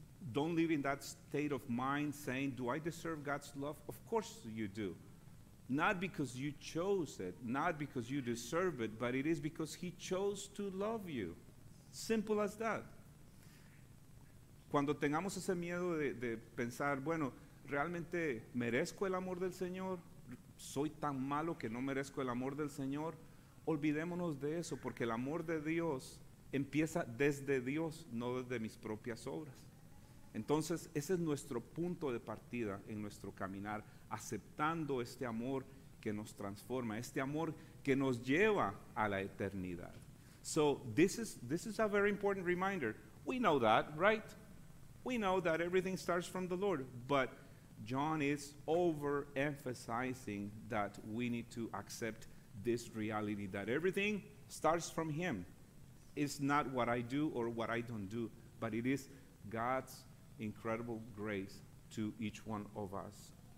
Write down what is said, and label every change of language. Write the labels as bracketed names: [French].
[English] Don't live in that state of mind saying, do I deserve God's love? Of course you do. Not because you chose it, not because you deserve it, but it is because he chose to love you. Simple as that. [Spanish] Cuando tengamos ese miedo de pensar, bueno, realmente merezco el amor del Señor, soy tan malo que no merezco el amor del Señor, olvidémonos de eso, porque el amor de Dios empieza desde Dios, no desde mis propias obras. Entonces, ese es nuestro punto de partida en nuestro caminar, aceptando este amor que nos transforma, este amor que nos lleva a la eternidad. [English] So, this is a very important reminder. We know that, right? We know that everything starts from the Lord, but John is overemphasizing that we need to accept this reality, that everything starts from him. It's not what I do or what I don't do, but it is God's incredible grace to each one of us.